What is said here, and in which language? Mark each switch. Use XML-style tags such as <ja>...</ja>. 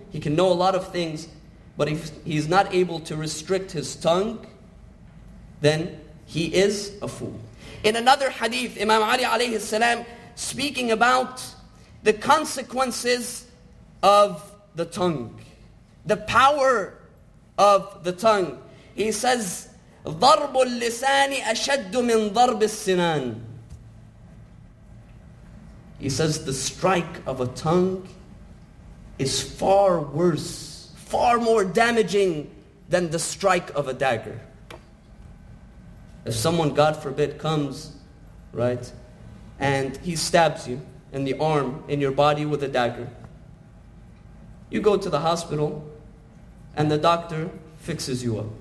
<en>He can know a lot of things. But if he's not able to restrict his tongue, then he is a fool. In another hadith, Imam Ali alayhi salam, speaking about the consequences of the tongue, the power of the tongue. He says,</en> <ar>ضرب اللسان أشد من ضرب السنان.</ar> <en>He says, the strike of a tongue is far worse, far more damaging than the strike of a dagger. If someone, God forbid, comes, right, and he stabs you in the arm, in your body with a dagger, you go to the hospital and the doctor fixes you up.</en>